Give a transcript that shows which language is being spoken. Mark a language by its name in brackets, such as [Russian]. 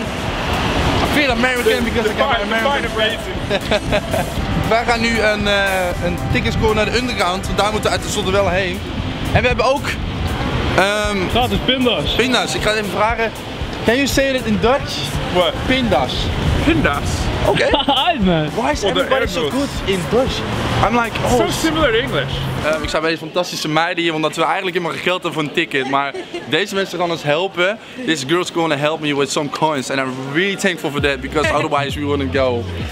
[English] I feel American because I got an American. [Dutch] Wij gaan nu een ticket scoren naar de Underground, want daar moeten we uit de zonde wel heen. En we hebben ook... gratis pindas. Pindas, ik ga even vragen. [English] Can you say it in Dutch? What? [Dutch] Pindas. Pindas? Oké. [English] Okay. Man. Why is everybody so good in Dutch? I'm like, oh. So similar to English. [Dutch] Ik zou bij deze fantastische meiden hier, omdat we eigenlijk helemaal geld hebben voor een ticket. Maar deze mensen gaan ons helpen. [English] This girl's gonna help me with some coins. And I'm really thankful for that, because otherwise we wouldn't go